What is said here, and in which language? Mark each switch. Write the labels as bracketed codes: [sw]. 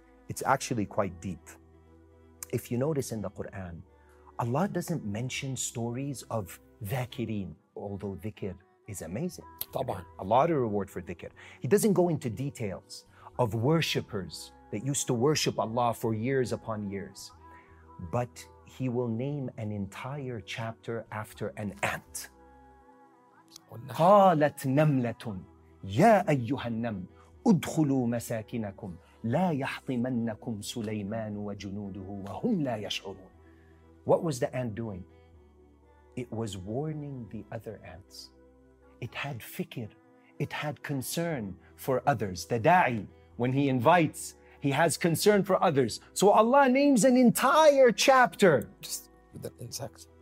[en] It's actually quite deep. If you notice in the Quran, Allah doesn't mention stories of dhakirin, although dhikr is amazing. [ar] طبعًا. [en] A lot of reward for dhikr. He doesn't go into details of worshippers that used to worship Allah for years upon years. But he will name an entire chapter after an ant. [ar] قالت نملة يا أيها النمل ادخلوا مساكنكم لا يحطمنكم سليمان وجنوده وهم لا يشعرون. [en] What was the ant doing? It was warning the other ants. It had fikr. It had concern for others. The da'i, when he invites, he has concern for others. So Allah names an entire chapter. Just with the insect.